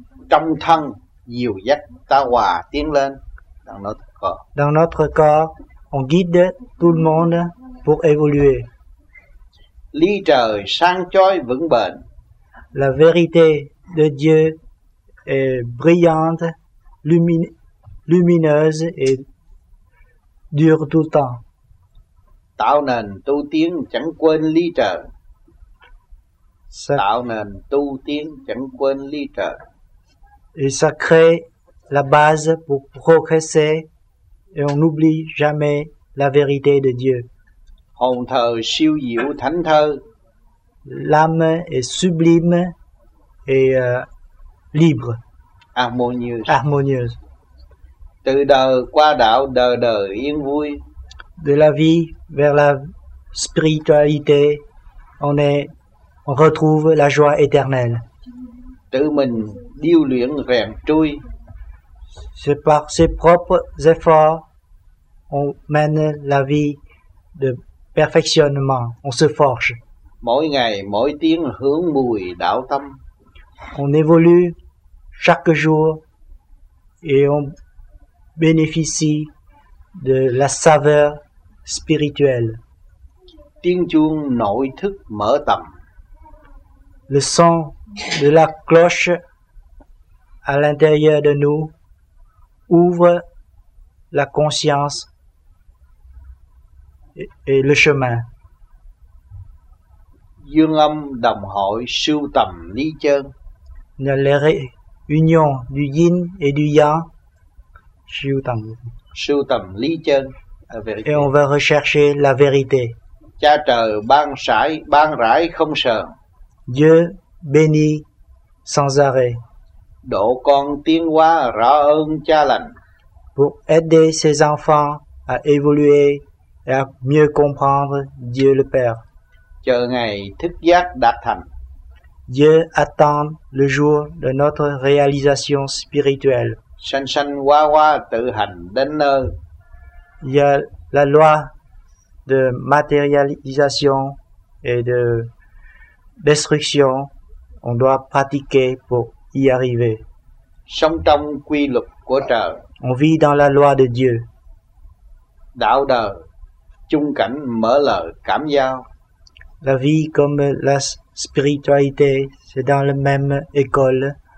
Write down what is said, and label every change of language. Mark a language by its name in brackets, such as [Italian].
[Vietnamese] Trong thân dìu dắt ta hòa tiến lên. [French] Dans notre corps, on guide tout le monde pour évoluer. [Vietnamese] Lý trời sáng chói vững bền. [French] La vérité de Dieu est brillante, lumineuse et dure tout le temps. [Vietnamese] Tạo nền tu tiến chẳng quên lý trời. Ça, tạo nền tu tiến chẳng quên lý trời. [French] Et ça crée la base pour progresser et on n'oublie jamais la vérité de Dieu. [Vietnamese] Hồn thờ siêu diệu thánh thơ. [French] L'âme est sublime et libre. Harmonieuse. [Vietnamese] Từ đời qua đạo đời đời yên vui. [French] De la vie vers la spiritualité, on retrouve la joie éternelle. [Vietnamese] Tự mình điêu luyện rèn trui. [French] C'est par ses propres efforts on mène la vie de perfectionnement, on se forge. [Vietnamese] Mỗi ngày mỗi tiếng hướng mùi đạo tâm. [French] On évolue chaque jour et on bénéficie de la saveur spirituelle. [Vietnamese] Tiếng chuông nội thức mở tầm. [French] Le son de la cloche à l'intérieur de nous ouvre la conscience et le chemin. [Vietnamese] Dương âm đồng hội sưu tầm lý chân. [French] La réunion du yin et du yang. [Vietnamese] Sưu tầm lý chân. [French] Et on va rechercher la vérité. [Vietnamese] Cha trời ban rải không sợ. [French] Dieu bénit sans arrêt. [Vietnamese] Độ con tiến hóa rõ ơn cha lành. [French] Pour aider ses enfants à évoluer et à mieux comprendre Dieu le Père. [Vietnamese] Chờ ngày thức giác đạt thành. [French] Dieu attend le jour de notre réalisation spirituelle. [Vietnamese] Sanh sanh hóa hóa tự hành đến nơi. [French] Il y a la loi de matérialisation et de destruction. On doit pratiquer pour y arriver. [Vietnamese] Sống trong quy luật của trời. [French] On vit dans la loi de Dieu. [Vietnamese] Đạo đời, chung cảnh mở lời cảm giao. [French] La vie comme la spiritualité, c'est dans la même école.